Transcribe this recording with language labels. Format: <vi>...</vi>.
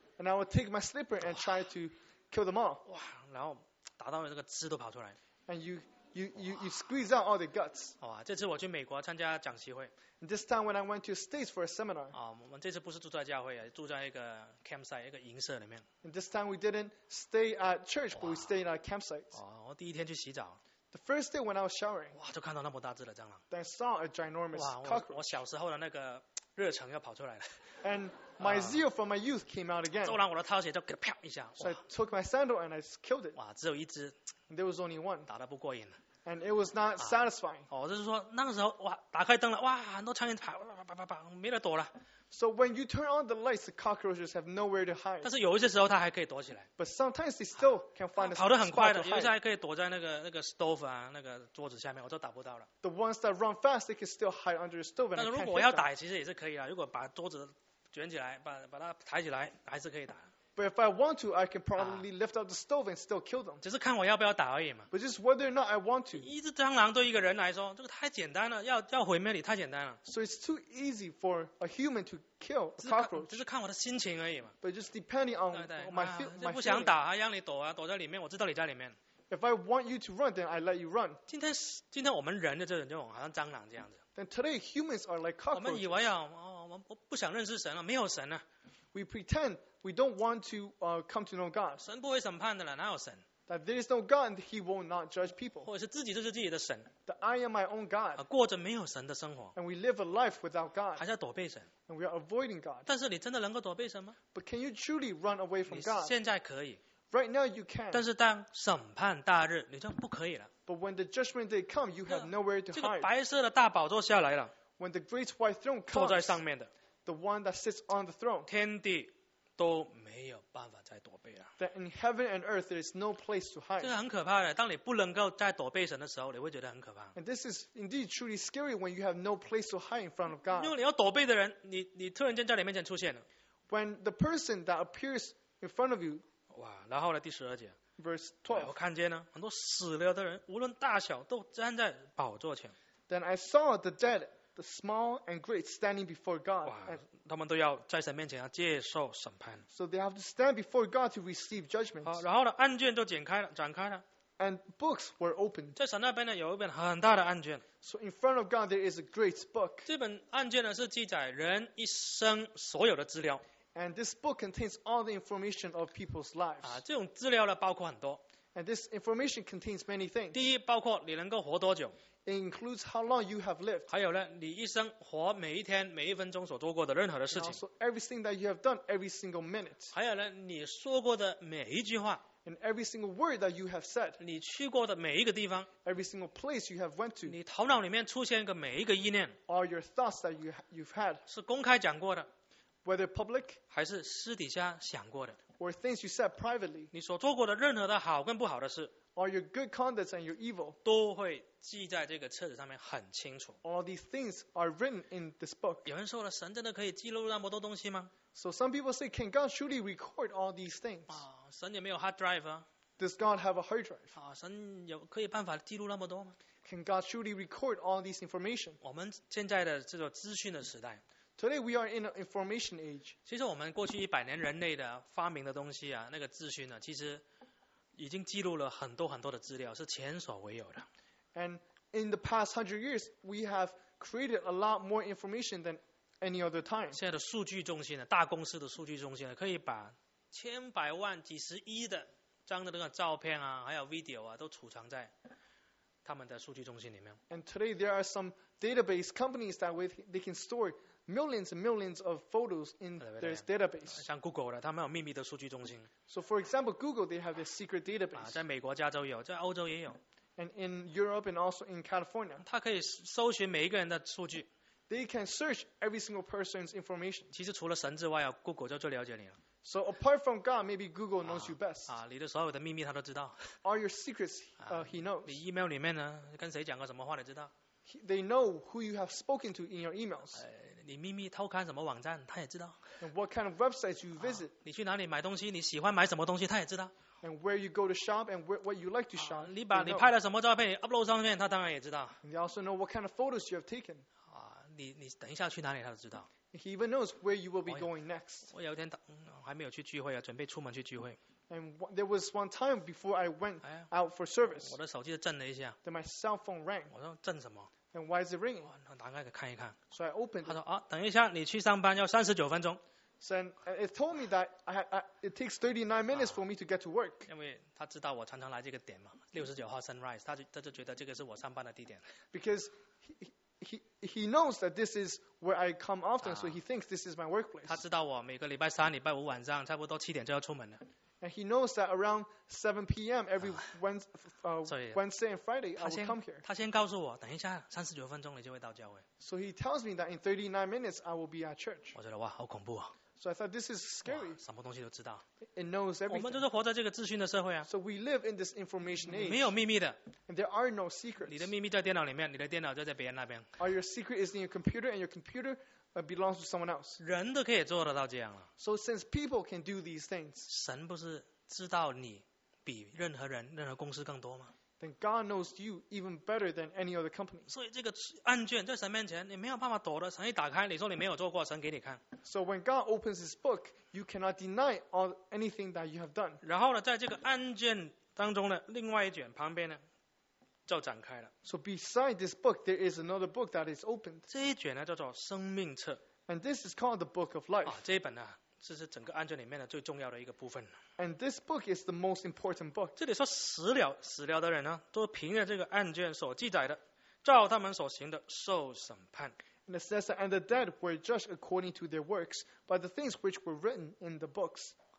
<en>And I would take my slipper and try to kill them all.</en> <zh>哇，然后打到这个汁都跑出来。</zh> <en>And you You squeeze out all the guts.</en> <zh>哇，这次我去美国参加讲习会。</zh> <en>This time when I went to States for a seminar.</en> <zh>啊，我们这次不是住在教会，住在一个 campsite， 一个营舍里面。</zh> <en>And this time we didn't stay at church, but we stayed in our campsite.</en> <zh>哦，我第一天去洗澡。</zh> <en>The first day when I was showering.</en> <zh>哇，就看到那么大只的蟑螂。</zh> <en>Then saw a ginormous cockroach.</en> <zh>我小时候的那个热诚又跑出来了。</zh> <en>And my zeal from my youth came out again.</en> <zh>骤然我的套鞋就给啪一下。</zh> <en>So I took my sandal and I killed it.</en> <zh>哇，只有一只。</zh> <en>And there was only one.</en> <zh>打得不过瘾。</zh> <en>And it was not satisfying.</en> <zh>哦，就是说那个时候哇，打开灯了，哇，很多苍蝇跑，啪啪啪，没得躲了。</zh> <en>So when you turn on the lights, the cockroaches have nowhere to hide.</en> <zh>但是有一些时候它还可以躲起来。</zh> <en>But sometimes they still can find a spot to hide.</en> <zh>跑得很快的，有一些还可以躲在那个 stove 啊，那个桌子下面，我都打不到了。</zh> <en>The ones that run fast, they can still hide under the stove.</en> <zh>但是如果我要打，其实也是可以啊。如果把桌子卷起来，把它抬起来，还是可以打。</zh> <en>But if I want to, I can probably lift up the stove and still kill them.</en> <zh>只是看我要不要打而已嘛。</zh> <en>But just whether or not I want to.</en> <zh>一只蟑螂对一个人来说，这个太简单了，要毁灭你太简单了。</zh> <en>So it's too easy for a human to kill a cockroach.</en> <zh>只是看我的心情而已嘛。</zh> <en>But just depending on my feeling.</en> <zh>不想打，让你躲啊，躲在里面，我知道你在里面。</zh> <en>If I want you to run, then I let you run.</en> <zh>今天我们人的这种就好像蟑螂这样子。</zh> <en>Then today humans are like cockroaches.</en> <zh>我们以为啊，我不想认识神了，没有神了。</zh> <en>We pretend we don't want to come to know God.</en> <zh>神不会审判的了，哪有神？</zh> <en>That there is no God, and He will not judge people.</en> <zh>或者是自己就是自己的神。</zh> <en>That I am my own God.</en> <zh>过着没有神的生活。</zh> <en>And we live a life without God.</en> <zh>还在躲避神。</zh> <en>And we are avoiding God.</en> <zh>但是你真的能够躲避神吗？</zh> <en>But can you truly run away from God?</en> <zh>现在可以。</zh> <en>Right now you can.</en> <zh>但是当审判大日，你就不可以了。</zh> <en>But when the judgment day comes, you have nowhere to hide.</en> <zh>这个白色的大宝座下来了。</zh> <en>When the great white throne comes.</en> <zh>坐在上面的。</zh> <en>The one that sits on the throne.</en> <zh>天地都没有办法再躲避了。</zh> <en>That in heaven and earth there is no place to hide.</en> <zh>这是很可怕的。当你不能够再躲避神的时候，你会觉得很可怕。</zh> <en>And this is indeed truly scary when you have no place to hide in front of God.</en> <zh>因为你要躲避的人，你突然间在你面前出现了。</zh> <en>When the person that appears in front of you.</en> <zh>哇，然后呢？第十二节。</zh> <en>Verse 12.</en> <zh>我看见呢，很多死了的人，无论大小，都站在宝座前。</zh> <en>Then I saw the dead. The small and great standing before God.</en> <zh>哇，他们都要在神面前要接受审判。</zh> <en>So they have to stand before God to receive judgment.</en> <zh>然后呢，案卷就剪开了，展开了。</zh> <en>And books were opened.</en> <zh>在神那边呢，有一本很大的案卷。</zh> <en>So in front of God, there is a great book.</en> <zh>这本案卷呢，是记载人一生所有的资料。</zh> <en>And this book contains all the information of people's lives.</en> <zh>啊，这种资料呢，包括很多。</zh> <en>And this information contains many things.</en> <zh>第一，包括你能够活多久。</zh> <en>It includes how long you have lived.</en> <zh>还有呢，你一生活每一天每一分钟所做过的任何的事情。</zh> <en>So everything that you have done, every single minute.</en> <zh>还有呢，你说过的每一句话。</zh> <en>And every single word that you have said.</en> <zh>你去过的每一个地方。</zh> <en>Every single place you have went to.</en> <zh>你头脑里面出现一个每一个意念。</zh> <en>All your thoughts that you've had.</en> <zh>是公开讲过的。</zh> <en>Whether public.</en> <zh>还是私底下想过的。</zh> <en>Or things you said privately.</en> <zh>你所做过的任何的好跟不好的事。</zh> <en>All your good conduct and your evil.</en> <zh>都会记在这个册子上面很清楚。</zh> <en>All these things are written in this book.</en> <zh>有人说了，神真的可以记录那么多东西吗？</zh> <en>So some people say, can God truly record all these things?</en> <zh>啊，神也没有 hard drive 啊。</zh> <en>Does God have a hard drive?</en> <zh>啊，神有可以办法记录那么多吗？</zh> <en>Can God truly record all these information?</en> <zh>我们现在的这个资讯的时代。</zh> <en>Today we are in an information age.</en> <zh>其实我们过去一百年人类的发明的东西啊，那个资讯呢，其实已经记录了很多很多的资料，是前所未有的。</zh> <en>And in the past 100 years, we have created a lot more information than any other time.</en> <zh>现在的数据中心呢，大公司的数据中心呢，可以把千百万、几十亿的张的那个照片啊，还有 video 啊，都储藏在他们的数据中心里面。</zh> <en>And today there are some database companies that they can store millions and millions of photos in their database.</en> <zh>像 Google 的，他们有秘密的数据中心。</zh> <en>So for example, Google they have a secret database.</en> <zh>在美国加州有，在欧洲也有。</zh> <en>And in Europe and also in California.</en> <zh>它可以搜寻每一个人的数据。</zh> <en>They can search every single person's information.</en> <zh>其实除了神之外， Google 就最了解你了。</zh> <en>So apart from God, maybe Google knows you best.</en> <zh>你的所有的秘密他都知道。</zh> <en>All your secrets, he knows.</en> <zh>你 email 里面呢，跟谁讲过什么话，你知道。</zh> <en>They know who you have spoken to in your emails.</en> <zh>你秘密偷看什么网站，他也知道。</zh> <en>And what kind of websites you visit?</en> <zh>你去哪里买东西，你喜欢买什么东西，他也知道。</zh> <en>And where you go to shop and what you like to shop.</en> <zh>你把你拍了什么照片，你 upload 上面，他当然也知道。</zh> <en>And they also know what kind of photos you have taken.</en> <zh>你等一下去哪里，他都知道。</zh> <en>He even knows where you will be going next.</en> <zh>我有一天还没有去聚会啊，准备出门去聚会。</zh> <en>And there was one time before I went out for service.</en> <zh>我的手机就震了一下,</zh> <en>then my cell phone rang.</en> <zh>我说震什么?</zh> <en>And why is it ringing?</en> <zh>我打开看一看,</zh> <en>so I opened</en> <zh>他说,</zh> <en>it.</en> <zh>等一下,你去上班要39分钟。</zh> <en>So it told me that it takes 39 minutes for me to get to work.</en> <zh>因为他知道我常常来这个点嘛, 69号 Sunrise, 他就觉得这个是我上班的地点。</zh> <en>Because he knows that this is where I come often, so he thinks this is my workplace.</en> <zh>他知道我每个礼拜三、礼拜五晚上差不多7点就要出门了。</zh> <en>And he knows that around 7 p.m. every Wednesday and Friday, I will come here.</en> <zh>他先告诉我, 等一下, 39分钟你就会到教会。</zh> <en>So he tells me that in 39 minutes, I will be at church.</en> <zh>我觉得, 哇, 好恐怖哦。</zh> <en>So I thought this is scary.</en> <zh>哇, 什么东西都知道。</zh> <en>It knows everything.</en> <zh>我们就是活在这个资讯的社会啊。</zh> <en>So we live in this information age.</en> <zh>没有秘密的。</zh> <en>And there are no secrets.</en> <zh>你的秘密在电脑里面, 你的电脑就在别人那边。</zh> <en>Or your secret is in your computer, and your computer belongs to someone else.</en> <zh>人都可以做得到这样了。</zh> <en>So since people can do these things,</en> <zh>神不是知道你比任何人、任何公司更多吗？</zh> <en>Then God knows you even better than any other company.</en> <zh>所以这个案卷在神面前，你没有办法躲的。神一打开，你说你没有做过，神给你看。</zh> <en>So when God opens His book, you cannot deny all anything that you have done.</en> <zh>然后呢，在这个案卷当中的另外一卷旁边呢。就展开了。</zh> <en>So beside this book, there is another book that is opened.</en> <zh>这一卷呢，叫做生命册。</zh> <en>And this is called the Book of Life.</en> <zh>这一本呢，这是整个案卷里面的最重要的一个部分。</zh> <en>And this book is the most important book.</en> <zh>这里说死了的人呢，都凭着这个案卷所记载的，照他们所行的受审判。</zh> <en>And it says that and the dead were judged according to their works by the things which were written in the books.</en>